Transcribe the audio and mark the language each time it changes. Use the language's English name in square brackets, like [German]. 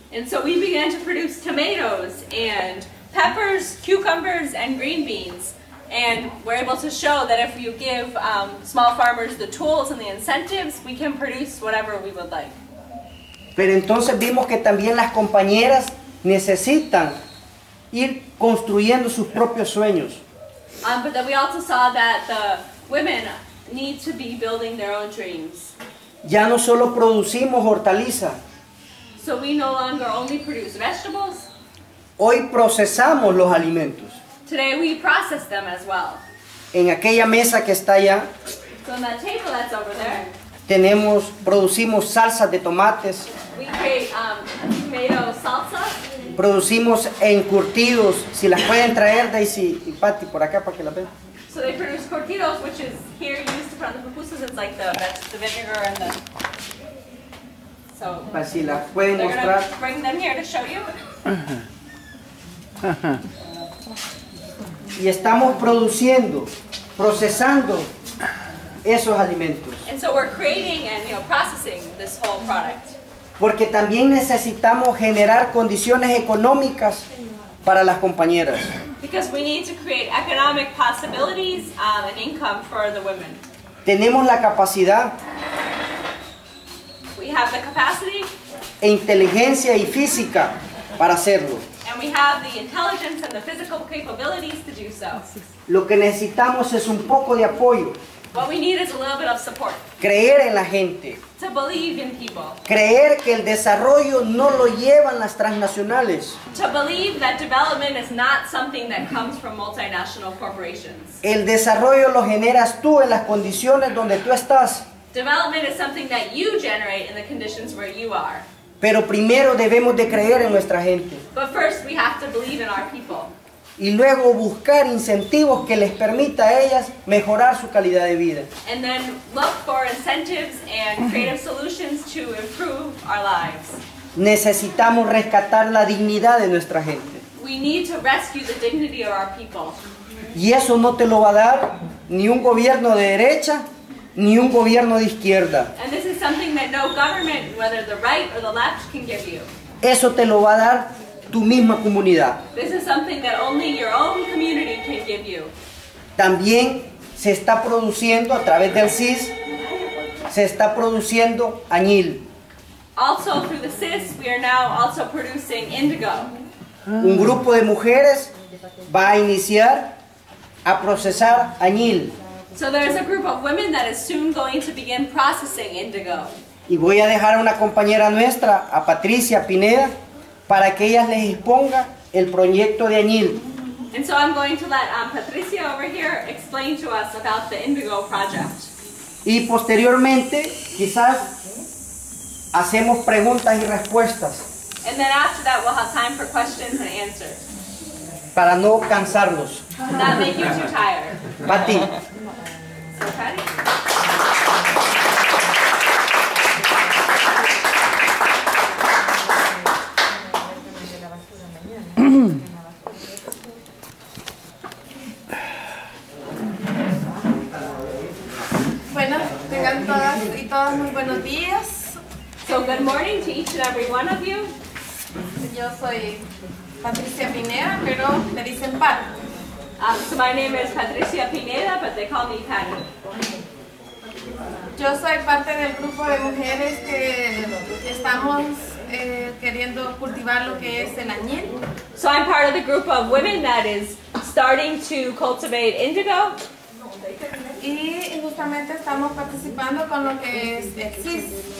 [English] And so we began to produce tomatoes and peppers, cucumbers and green beans. And we're able to show that if you give small farmers the tools and the incentives, we can produce whatever we would like. [Spanish] Pero entonces vimos que también las compañeras necesitan ir construyendo sus propios sueños. [English] But then we also saw that the women need to be building their own dreams. [Spanish] Ya no solo producimos hortaliza. [English] So we no longer only produce vegetables. [Spanish] Hoy procesamos los alimentos. [English] Today we process them as well. [Spanish] En aquella mesa que está allá. [English] So on that table that's over there. [Spanish] Producimos salsas de tomates. [English] We create tomato salsa. [Spanish] Producimos encurtidos. Si las pueden traer, Daisy y Patty, por acá para que las vean. [English] So they produce curtidos, which is here used to put on the pupusas. It's like the vinegar and the... [Spanish] Pero si las pueden mostrar. [English] They're going to bring them here to show you. [Spanish] Y estamos produciendo, procesando esos alimentos. [English] And so we're creating and, you know, processing this whole product. [Spanish] Porque también necesitamos generar condiciones económicas para las compañeras. [English] Because we need to create economic possibilities and income for the women. [Spanish] Tenemos la capacidad. [English] We have the capacity. [Spanish] E inteligencia y física para hacerlo. [English] And we have the intelligence and the physical capabilities to do so. [Spanish] Lo que necesitamos es un poco de apoyo. [English] What we need is a little bit of support. [Spanish] Creer en la gente. [English] To believe in people. [Spanish] Creer que el desarrollo no lo llevan las transnacionales. [English] To believe that development is not something that comes from multinational corporations. [Spanish] El desarrollo lo generas tú en las condiciones donde tú estás. [English] Development is something that you generate in the conditions where you are. [Spanish] Pero primero debemos de creer en nuestra gente. [English] But first we have to believe in our people. [Spanish] Y luego buscar incentivos que les permita a ellas mejorar su calidad de vida. [English] And then look for incentives and creative solutions to improve our lives. [Spanish] Necesitamos rescatar la dignidad de nuestra gente. [English] We need to rescue the dignity of our people. [Spanish] Y eso no te lo va a dar ni un gobierno de derecha ni un gobierno de izquierda. [English] And this is something that no government, whether the right or the left, can give you. [Spanish] Eso te lo va a dar tu misma comunidad. [English] This is something that only your own community can give you. [Spanish] También se está produciendo a través del CIS, se está produciendo añil. [English] Also through the CIS, we are now also producing indigo. [Spanish] Un grupo de mujeres va a iniciar a procesar añil. [English] So there is a group of women that is soon going to begin processing indigo. [Spanish] Y voy a dejar a una compañera nuestra, a Patricia Pineda, para que ella les exponga el proyecto de añil. [English] And so I'm going to let Patricia over here explain to us about the indigo project. [Spanish] Y posteriormente, quizás, hacemos preguntas y respuestas. [English] And then after that, we'll have time for questions and answers. [Spanish] Para no cansarlos. [English] Not make you too tired. [Spanish] Pati. [English] So, Patty. [Spanish] Bueno, tengan todas y todos muy buenos días. [English] So good morning to each and every one of you. [Spanish] Yo soy Patricia Pineda, pero me dicen Pat. [English] So my name is Patricia Pineda, but they call me Patty. [Spanish] Yo soy parte del grupo de mujeres que estamos queriendo cultivar lo que es el añil. [English] So I'm part of the group of women that is starting to cultivate indigo. [Spanish] Y justamente estamos participando con lo que es el CIS.